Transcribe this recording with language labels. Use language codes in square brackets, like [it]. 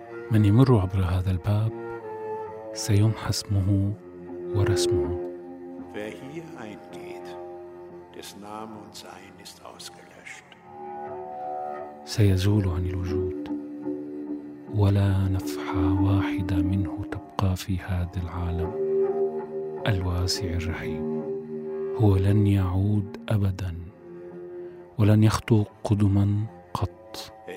[ar] من يمر عبر هذا الباب سيمحى اسمه ورسمه. [de] Wer hier eingeht, dessen Name und Sein ist ausgelöscht. [ar] سيزول عن الوجود ولا نفحة واحدة منه تبقى في هذا العالم الواسع الرحيم. هو لن يعود أبدا ولن يخطو قدما قط.